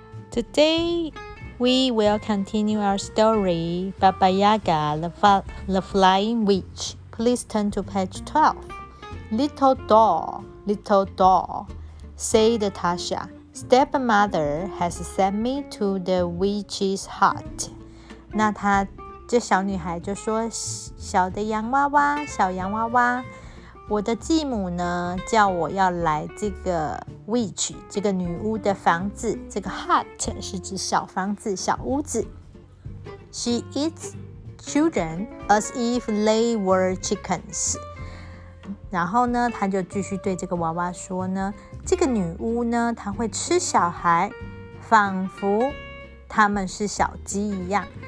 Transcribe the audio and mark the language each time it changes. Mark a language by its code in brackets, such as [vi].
[en] Today, we will continue our story, Baba Yaga, the Flying Witch. Please turn to page 12. Little doll, said Tasha. Stepmother has sent me to the witch's hut. [zh] 那她这小女孩就说，小的洋娃娃，小洋娃娃，我的继母呢，叫我要来这个 witch， 这个女巫的房子。这个 hut 是指小房子，小屋子。 [en] She eats children as if they were chickens. [zh] 然后呢，她就继续对这个娃娃说呢，这个女巫呢，她会吃小孩，仿佛他们是小鸡一样。